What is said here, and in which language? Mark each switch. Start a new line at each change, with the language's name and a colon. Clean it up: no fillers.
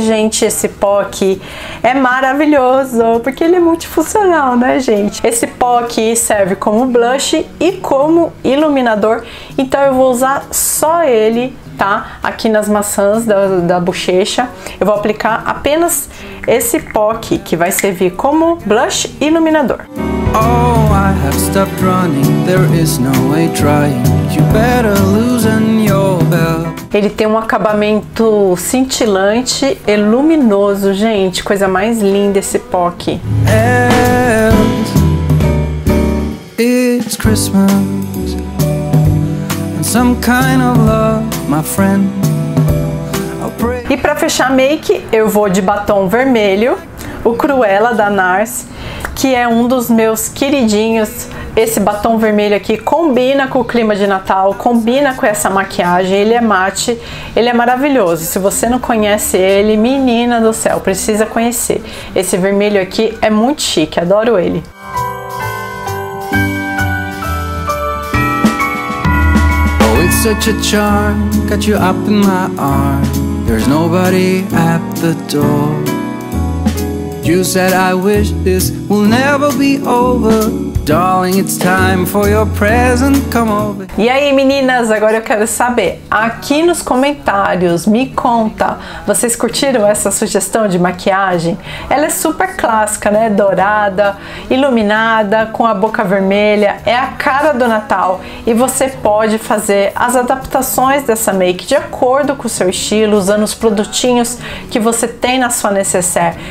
Portuguese: Gente, esse pó aqui é maravilhoso, porque ele é multifuncional, né, gente? Esse pó aqui serve como blush e como iluminador, então eu vou usar só ele, tá? Aqui nas maçãs da bochecha. Eu vou aplicar apenas esse pó aqui, que vai servir como blush e iluminador.
English: Oh, I have stopped running. There is no way trying. You better loosen your belt.
Portuguese: Ele tem um acabamento cintilante e luminoso, gente. Coisa mais linda esse pó aqui.
English: And it's Christmas. And some kind of love, my friend.
Portuguese: E pra fechar a make, eu vou de batom vermelho, o Cruella da NARS, que é um dos meus queridinhos. Esse batom vermelho aqui combina com o clima de Natal, combina com essa maquiagem, ele é mate, ele é maravilhoso. Se você não conhece ele, menina do céu, precisa conhecer. Esse vermelho aqui é muito chique, adoro ele.
English: Oh, it's such a charm, got you up in my arm. There's nobody at the door. You said I wish this will never be over. Darling, it's time for your present. Come over.
Portuguese: E aí, meninas, agora eu quero saber, aqui nos comentários, me conta, vocês curtiram essa sugestão de maquiagem? Ela é super clássica, né? Dourada, iluminada, com a boca vermelha, é a cara do Natal. E você pode fazer as adaptações dessa make de acordo com o seu estilo, usando os produtinhos que você tem na sua necessaire.